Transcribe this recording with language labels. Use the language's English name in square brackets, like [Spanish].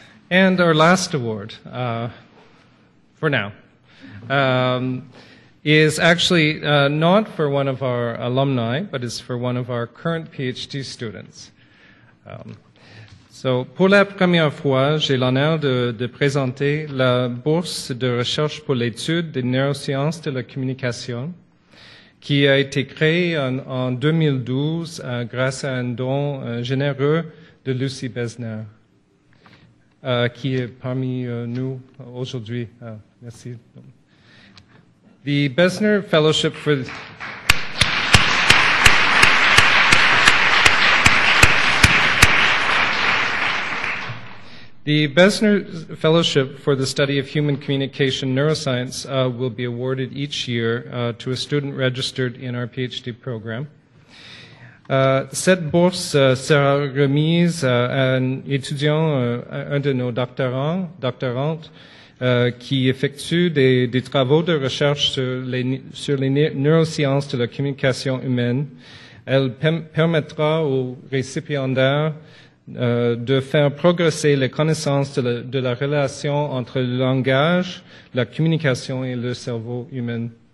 [English] And our last award, for now, is actually not for one of our alumni, but is for one of our current PhD students. [French] So, pour la première fois, j'ai l'honneur de présenter la bourse de recherche pour l'étude des neurosciences de la communication, qui a été créée en 2012 grâce à un don généreux de Lucie Besner. Qui est parmi nous aujourd'hui. Merci. [English] The Besner Fellowship for... The Besner Fellowship for the Study of Human Communication Neuroscience will be awarded each year to a student registered in our PhD program. [French] Cette bourse sera remise à un étudiant, un de nos doctorantes, qui effectue des travaux de recherche sur les neurosciences de la communication humaine. Elle permettra aux récipiendaires de faire progresser les connaissances de la relation entre le langage, la communication et le cerveau humain.